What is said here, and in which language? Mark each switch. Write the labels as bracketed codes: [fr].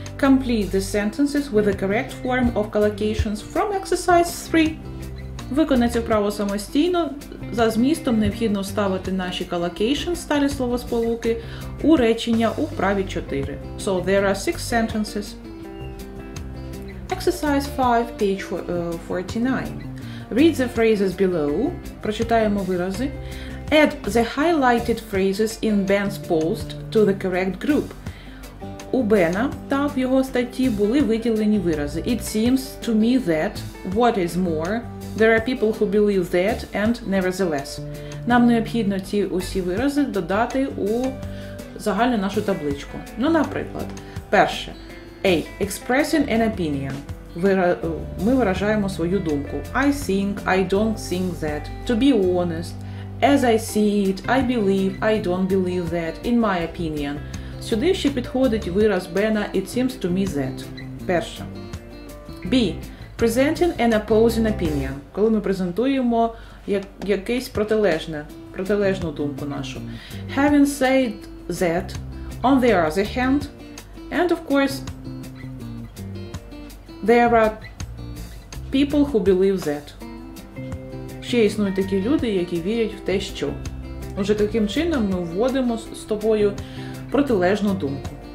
[en] Complete the sentences with the correct form of collocations from exercise 3. [uk] Виконати вправу самостійно. За змістом необхідно вставити наші collocations, старі словосполуки, у речення у вправі 4. [en] So there are 6 sentences. Exercise 5, page 49. Read the phrases below. [uk] Прочитаємо вирази. [en] Add the highlighted phrases in Ben's post to the correct group. [uk] У Бена та в його статті були виділені вирази. [en] It seems to me that, what is more, there are people who believe that, and nevertheless. [uk] Нам необхідно ці усі вирази додати у загальну нашу табличку. Ну, наприклад, перше. [en] A. Expressing an opinion. [uk] Ми виражаємо свою думку. [en] I think, I don't think that. To be honest. As I see it, I believe, I don't believe that. In my opinion. [uk] Сюди ще підходить вираз Бена [en] «It seems to me that». [uk] Перше. [en] B. Presenting an opposing opinion. [uk] Коли ми презентуємо якийсь протилежну думку нашу. [en] Having said that, on the other hand, and of course, there are people who believe that. [uk] Ще існують такі люди, які вірять в те, що. Отже, таким чином ми вводимо з тобою протилежну думку.